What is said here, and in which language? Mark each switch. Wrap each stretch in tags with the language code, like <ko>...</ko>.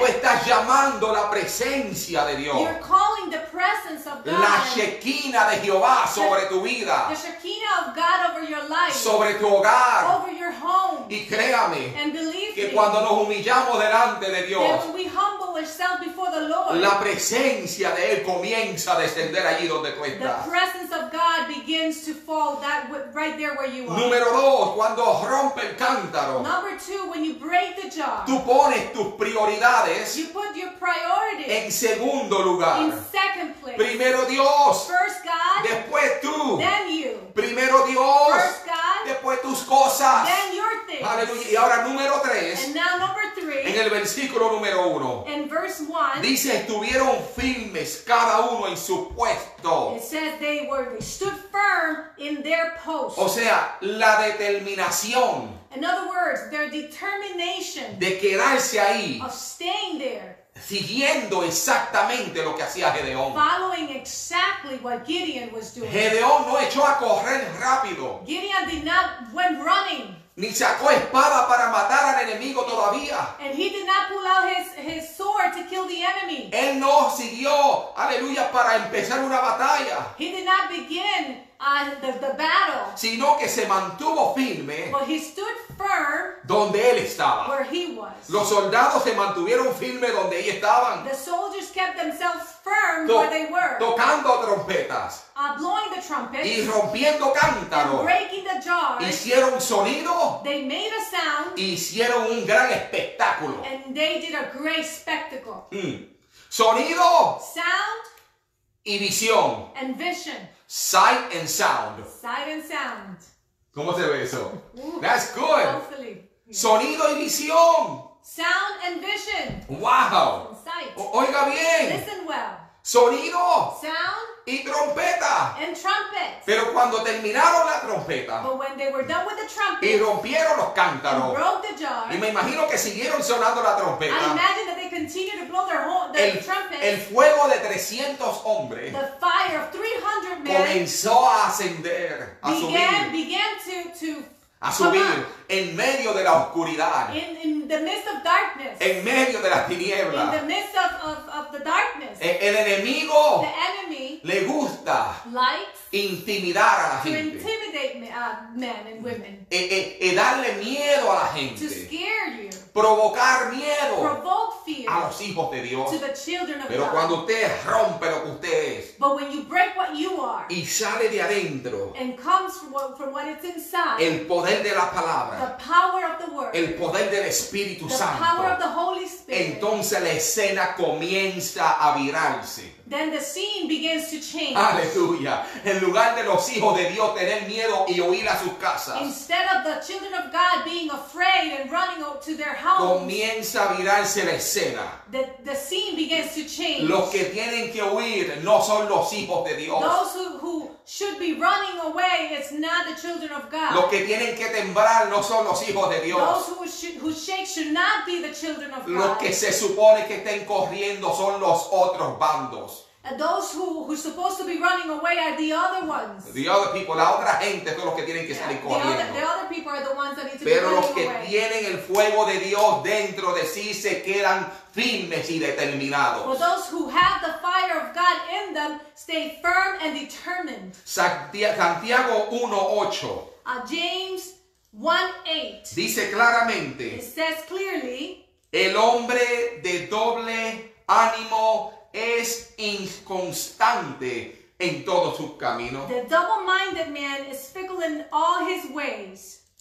<es>tú estás llamando la presencia de Dios.</es> <en>You're calling the presence of God.</en> <es>La Shekina de Jehová sobre tu vida.</es> <en>The Shekina of God over your life.</en> <es>Sobre tu hogar.</es> <en>Over your home.</en> <es>Y créame,</es> <en>and believe</en> <es>que</es> <en>me,</en> <es>cuando nos humillamos delante de Dios,</es> <en>that when we humble ourselves before the Lord,</en> <es>la presencia de Él comienza a descender allí donde tú estás.</es> <en>The presence of God begins to fall that right there where you are.</en> <es>Número dos, cuando rompe el cántaro.</es> <en>Number two, when you break the jar.</en> <es>Tú pones tus prioridades.</es> <en>You put your priorities.</en> <es>En segundo lugar.</es> <en>In second place.</en> <es>Primero Dios.</es> <en>First God.</en> <es>Después tú.</es> <en>Then you.</en> <es>Primero Dios.</es> <en>First God.</en> <es>Después tus cosas.</es> <en>Then your things.</en> <es>Aleluya. Y ahora número tres.</es> <en>And now number three.</en> <es>En el versículo número uno.</es> <en>In verse one.</en> <es>Dice, estuvieron firmes cada uno en su puesto.</es> <en>It says they were stood firm in their post.</en> <es>O sea, la determinación.</es> <en>In other words, their determination.</en> <es>De quedarse ahí.</es> <en>Of staying there.</en> <es>Siguiendo exactamente lo que hacía Gedeón.</es> <en>Following exactly what Gideon was doing.</en> <es>Gedeón no echó a correr rápido.</es> <en>Gideon did not went running.</en> <es>Ni sacó espada para matar al enemigo todavía.</es> <en>And he did not pull out his sword to kill the enemy.</en> <es>Él no siguió, aleluya, para empezar una batalla.</es> <en>He did not begin the battle.</en> <es>Sino que se mantuvo firme.</es> <en>But he stood firm.</en> <es>Donde él estaba.</es> <en>Where he was.</en> <es>Los soldados se mantuvieron firme donde ellos estaban.</es> <en>The soldiers kept themselves firm where they were.</en> <es>Tocando trompetas.</es> <en>Blowing the trumpets.</en> <es>Y rompiendo cántaros.</es> <en>Breaking the jars.</en> <es>Hicieron sonido.</es> <en>They made a sound.</en> <es>Hicieron un gran espectáculo.</es> <en>And they did a great spectacle.</en> <es>Mm. Sonido.</es> <en>Sound.</en> <es>Y visión.</es> <en>And vision. Sight and sound. Sight and sound.</en> <es>¿Cómo se ve eso?</es> <en>That's good. Hopefully.</en> <es>Sonido y visión.</es> <en>Sound and vision. Wow. And sight.</en> <es>Oiga bien.</es> <en>Listen well.</en> <es>Sonido.</es> <en>Sound.</en> <es>Y trompeta.</es> <en>And trumpet.</en> <es>Pero cuando terminaron la trompeta.</es> <en>But when they were done with the trumpet.</en> <es>Y rompieron los cántaros.</es> <en>And broke the jar.</en> <es>Y me imagino que siguieron sonando la trompeta.</es> <en>I imagine that they continued to blow their trumpets.</en> <es>El fuego de 300 hombres.</es> <en>The fire of 300 men.</en> <es>Comenzó a ascender.</es> <en>Began to</en> <es>subir en medio de la oscuridad.</es> <en>In the midst of darkness.</en> <es>En medio de las tinieblas.</es> <en>In the midst of the darkness.</en> <es>El enemigo.</es> <en>The enemy.</en> <es>Le gusta.</es> <en>Likes.</en> <es>Intimidar a la</es> <en>to</en> <es>gente.</es> <en>To intimidate men and women.</en> <es>Darle miedo a la gente.</es> <en>To scare you.</en> <es>Provocar miedo.</es> <en>Provoke fear.</en> <es>A los hijos de Dios.</es> <en>To the children of</en> <es>Pero</es> <en>God.</en> <es>Pero cuando usted rompe lo que usted es.</es> <en>But when you break what you are.</en> <es>Y sale de adentro.</es> <en>And comes from what it's inside.</en> <es>El poder de la palabra.</es> <en>The power of the word.</en> <es>El poder del Espíritu</es> <en>the The power of the Holy Spirit.</en> <es>Entonces la escena comienza a virarse.</es> <en>Then the scene begins to change.</en> <es>Aleluya. En lugar de los hijos de Dios tener miedo y huir a sus casas.</es> <en>Instead of the children of God being afraid and running out to their homes.</en> <es>Comienza a virarse la escena.</es> <en>The scene begins to change.</en> <es>Los que tienen que huir no son los hijos de Dios.</es> <en>Those who should be running away is not the children of God.</en> <es>Los que tienen que temblar no son los hijos de Dios.</es> <en>Those who shake should not be the children of God.</en> <es>Los que se supone que estén corriendo son los otros bandos.</es> <en>And those who are supposed to be running away are the other ones. The other people,</en> <es>la otra gente, son los que tienen que salir corriendo.</es> <en>The other people are the ones that need to be running away.</en> <es>Pero los que</es> <en>away.</en> <es>Tienen el fuego de Dios dentro de sí se quedan firmes y determinados.</es> <en>But those who have the fire of God in them stay firm and determined.</en> <es>Santiago 1:8.</es> <en>James 1:8.</en> <es>Dice claramente.</es> <en>It says clearly.</en> <es>El hombre de doble ánimo es inconstante en todos sus caminos.</es> <en>The double-minded man is fickle in all his ways.</en>